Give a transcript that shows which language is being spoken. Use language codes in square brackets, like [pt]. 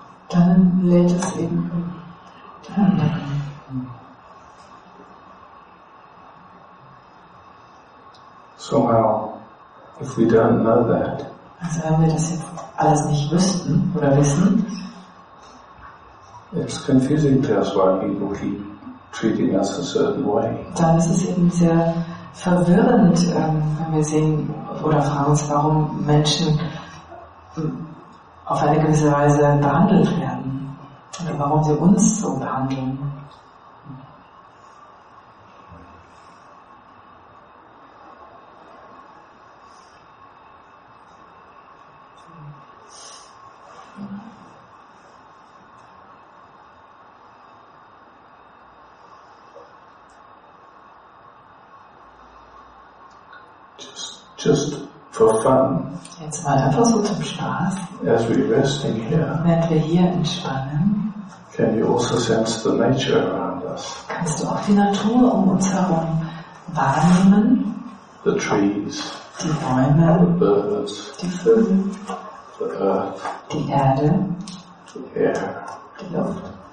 [de] Dann lädt es eben ein. [en] Somehow, if we don't know that, [de] also wenn wir das jetzt alles nicht wüssten oder wissen, [en] it's confusing to us why people keep treating us a certain way. [de] Dann ist es eben sehr verwirrend, wenn wir sehen oder fragen uns, warum Menschen auf eine gewisse Weise behandelt werden oder warum sie uns so behandeln. [en] Just for fun. [de] Jetzt mal einfach so zum Spaß. [en] As we rest in here. [de] Während wir hier entspannen. [en] Can you also sense the nature around us? [de] Kannst du auch die Natur um uns herum wahrnehmen? [en] The trees. [de] Die Bäume. [en] The birds. [de] Die Vögel. [en] The earth. [de] Die Erde. [en] The air. [de] Die Luft.